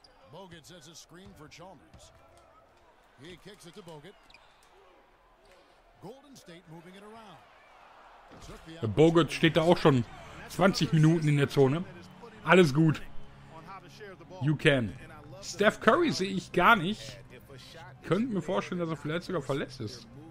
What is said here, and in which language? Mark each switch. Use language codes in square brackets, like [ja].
[de] Bogut setzt ein Screen für Chalmers. Er kickt es zu Bogut. [en] Golden State moving it around. [de] Bogut steht da auch schon 20 Minuten in der Zone. Alles gut. [en] You can. [de] Steph Curry sehe ich gar nicht. Könnte mir vorstellen, dass er vielleicht sogar verletzt ist.